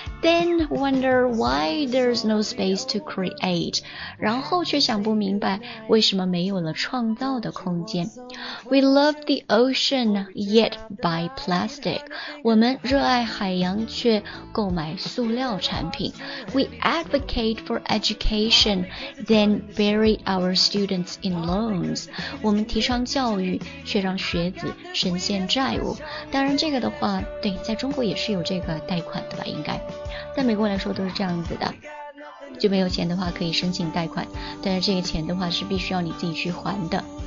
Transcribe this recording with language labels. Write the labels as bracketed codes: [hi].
[en] Then wonder why there's no space to create, [zh] 然后却想不明白为什么没有了创造的空间。 [en] We love the ocean, yet buy plastic. [zh] 我们热爱海洋却购买塑料产品。 [en] We advocate for education, then bury our students in loans. [zh] 我们提倡教育却让学子深陷债务。当然这个的话，对，在中国也是有这个贷款的吧，应该。在美国来说都是这样子的，就没有钱的话可以申请贷款，但是这个钱的话是必须要你自己去还的。